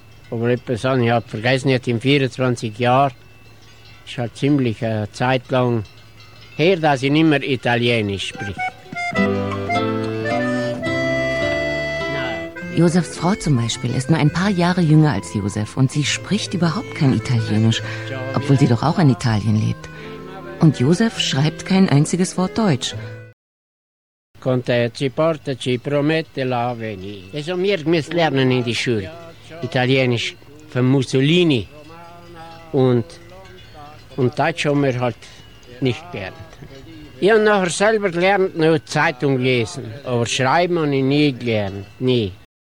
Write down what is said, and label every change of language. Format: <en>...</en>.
<de>Aber etwas habe ich halt vergessen, jetzt in 24 Jahren. Ist halt ziemlich eine Zeit lang her, dass ich nicht mehr Italienisch spreche. Josefs Frau zum Beispiel ist nur ein paar Jahre jünger als Josef und sie spricht überhaupt kein Italienisch, obwohl sie doch auch in Italien lebt. Und Josef schreibt kein einziges Wort Deutsch.</de> <it>Con te ci porta, ci promette l'avvenire.</it> <de>Also wir müssen lernen in die Schule. Italienisch von Mussolini. Und Deutsch haben wir halt nicht gelernt. Ich habe nachher selber gelernt, nur Zeitung lesen. Aber schreiben habe ich nie gelernt, nie.</de>